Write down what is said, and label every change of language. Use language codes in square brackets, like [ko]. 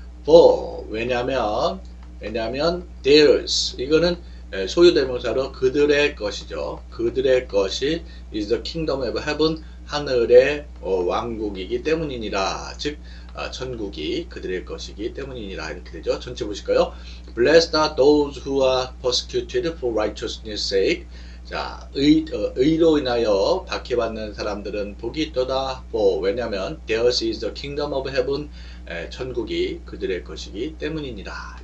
[en] For [ko] 왜냐하면 [en] theirs [ko] 이거는 소유대명사로 그들의 것이죠. 그들의 것이 [en] is the kingdom of heaven [ko] 하늘의 왕국이기 때문이니라. 즉 천국이 그들의 것이기 때문이니라 이렇게 되죠. 전체 보실까요? [en] Blessed are those who are persecuted for righteousness' sake. [ko] 자, 의로 인하여 박해받는 사람들은 복이 있도다. [en] For [ko] 왜냐하면 [en] theirs is the kingdom of heaven. [ko] 천국이 그들의 것이기 때문이니라.